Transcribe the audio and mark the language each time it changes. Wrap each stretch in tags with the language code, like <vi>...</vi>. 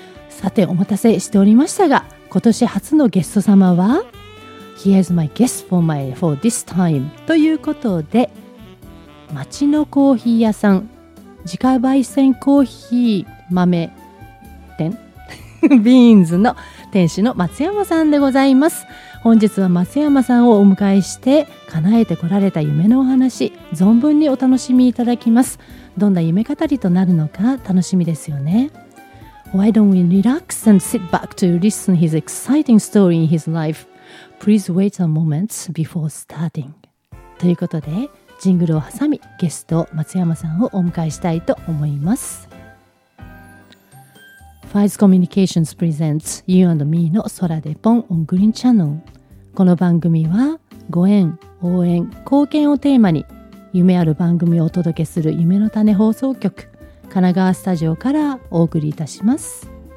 <ja>さて、お待たせしておりましたが、今年初のゲスト様は</ja> <en>Here's my guest for this time</en> <ja>ということで、町のコーヒー屋さん、自家焙煎コーヒー豆店ビーンズの店主の松山さんでございます。本日は松山さんをお迎えして叶えてこられた夢のお話、存分にお楽しみいただきます。どんな夢語りとなるのか楽しみですよね。</ja> <en>Why don't we relax and sit back to listen his exciting story in his life? Please wait a moment before starting.</en> <ja>ということで、ジングルを挟みゲスト松山さんをお迎えしたいと思います。ファイズコミュニケーションズプレゼンツ You and Me の空でポン on Green Channel。この番組はご縁、応援、貢献をテーマに夢ある番組をお届けする夢の種放送局、神奈川スタジオからお送りいたします。</ja>